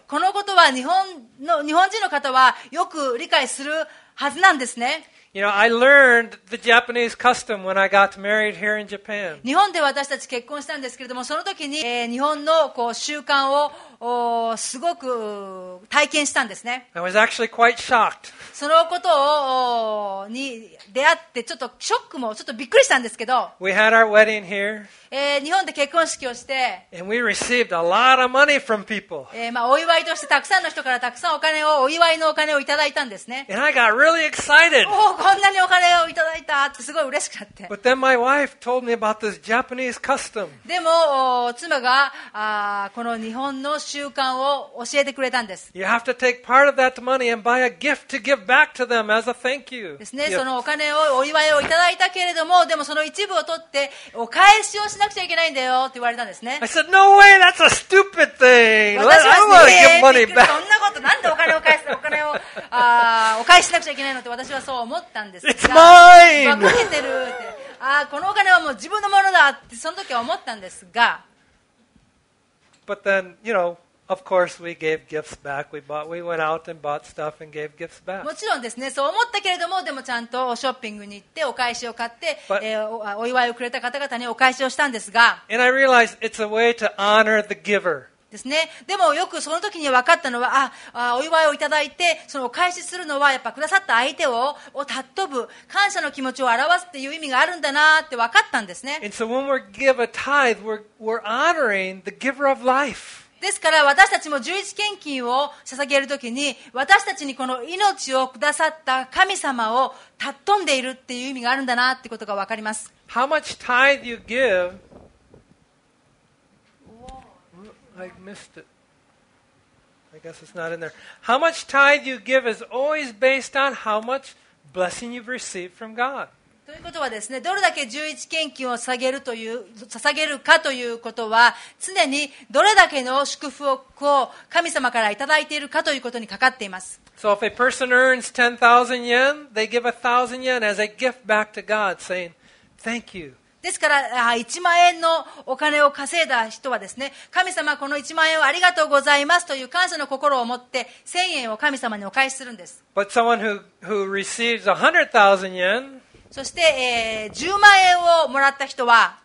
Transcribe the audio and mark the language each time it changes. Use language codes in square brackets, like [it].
[ja] このことは日本人の方はよく理解する。はずなんですね。 [en] You know, I learned the Japanese custom when I got married here in Japan. [ja] 日本で私たち結婚したんですけれども、その時に、日本のこう習慣をすごく体験したんですね。 [en] I was actually quite shocked. [ja] そのことに出会ってちょっとショックもちょっとびっくりしたんですけど。 [en] We had our wedding here. [ja] 日本で結婚式をして。 [en] And we received a lot of money from people. [ja] まあお祝いとしてたくさんの人からたくさんお金をお祝いのお金をいただいたんですね。 [en] And I got really excited. [ja] おこんなにお金をいただいたってすごい嬉しくなって。 [en] But then my wife told me about this Japanese custom. [ja] でも妻がこの日本の習慣を教えてくれたんです。 [en] You have to take part of that money and buy a gift to give back to them as a thank you. [ja] ですね、そのお金をお祝いをいただいたけれども、でもその一部を取ってお返しをしなくちゃいけないんだよって言われたんですね。 [en] I said, no way, that's a stupid thing. Let's give money back. [ja] そんなことなんでお返しなくちゃいけないのって私はそう思ったんですが。 [en] It's mine. [ja] 分けてるって。ああ、このお金はもう自分のものだってその時は思ったんですが。 [en] But then, you know, of course we gave gifts back. We went out and bought stuff and gave gifts back. [ja] もちろんですね、そう思ったけれども、でもちゃんとショッピングに行ってお返しを買って、お祝いをくれた方々にお返しをしたんですが。 [en] And I realized it's a way to honor the giver. [ja] ですね。でもよくその時に分かったのは、あ、お祝いをいただいて、そのお返しするのは、やっぱくださった相手を尊ぶ、感謝の気持ちを表すっていう意味があるんだなって分かったんですね。 [en] And so when we give a tithe, we're honoring the giver of life. [ja] ですから私たちも十一献金を捧げるときに私たちにこの命をくださった神様を尊んでいるっていう意味があるんだなってことが分かります。 [en] How much tithe you give? I missed it. I guess it's not in there. How much tithe you give is always based on how much blessing you've received from God. [ja] ということはですね、どれだけ十一献金を捧げるかということは、常にどれだけの祝福を神様からいただいているかということにかかっています。 [en] So if a person earns 10,000 yen, they give 1,000 yen as a gift back to God, saying, thank you. [ja] ですから1万円のお金を稼いだ人はですね、神様この1万円をありがとうございますという感謝の心を持って1000円を神様にお返しするんです。 [en] But someone who receives 100,000 yen, [ja] そして、10万円をもらった人は、